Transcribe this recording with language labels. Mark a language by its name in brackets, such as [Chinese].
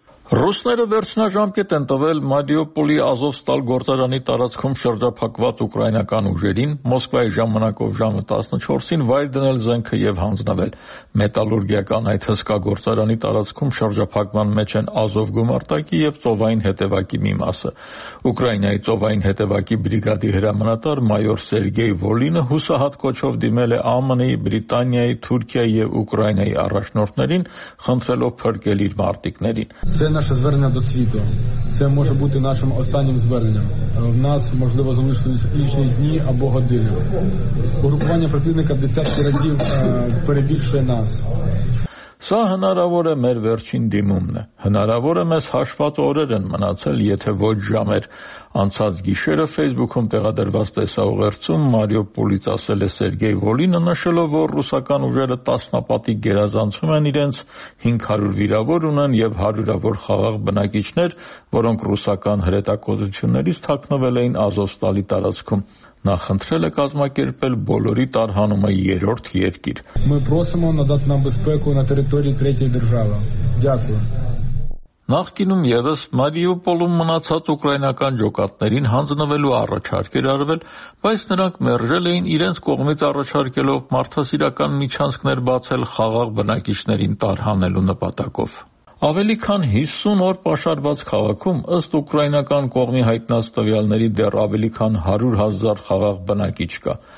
[Armenian] Ռուսները վերջնաժամկետ են տվել Մարիուպոլի Ազովստալ գործարանի տարածքում շրջափակված ուկրաինական ուժերին, Մոսկվայի ժամանակով ժամը 14-ին վայր դնել զենքը և հանձնվել։ Մետալուրգիական այդ հսկա գործարանի տարածքում շրջափակման մեջ են Ազով գումարտակի և ծովային հետևակի մի մասը։ Ուկրաինայի ծովային հետևակի բրիգադի հրամանատար մայոր Սերգեյ Վոլինը հուսահատկոչով դիմել է ԱՄՆ-ի, Բրիտանիայի, Թուրքիայի և Ուկրաինայի առաջնորդներին, խնդրելով փրկել իր մարտիկներին։ [Ukrainian] Це наше звернення до світу. Це може бути нашим останнім зверненням. В нас, можливо, залишилися лічні дні або години. Угрупування противника в десятки разів перебільшує нас. [Armenian] Սա հնարավոր է մեր վերջին դիմումն է, հնարավոր է մեզ հաշված օրեր են մնացել, եթե ոչ ժամեր։ Անցած գիշերը Facebook-ում տեղադրված տեսաուղերձում Մարիուպոլից ասել է Սերգեյ Վոլինը, նշելով, որ ռուսական ուժերը տասնապատիկ գերազանցում են իրենց, 500 վիրավոր ունեն և հարյուրավոր խաղաղ բնակիչներ, որոնք ռուսական հրետակոծություններից թաքնվել էին Ազովստալի տարածքում։ Նա խնդրել է կազմակերպել բոլորի տարհանումը երրորդ երկիր։ [Ukrainian] Ми просимо надати нам безпеку на території третьої держави. Дякую. [Armenian] Նախկինում եւս Մարիուպոլում մնացած ուկրաինական ջոկատներին հանձնվելու առաջարկ էր արվել, բայց նրանք մերժել էին իրենց կողմից առաջարկելով մարդասիրական միջանցքներ բացել խաղաղ բնակիչներին տարհանելու նպատակով։ Ավելի քան 50 օր պաշարված քաղաքում, ըստ ուկրաինական կողմի հայտնած տվյալների, դեռ ավելի քան 100 000 խաղաղ բնակիչ կա։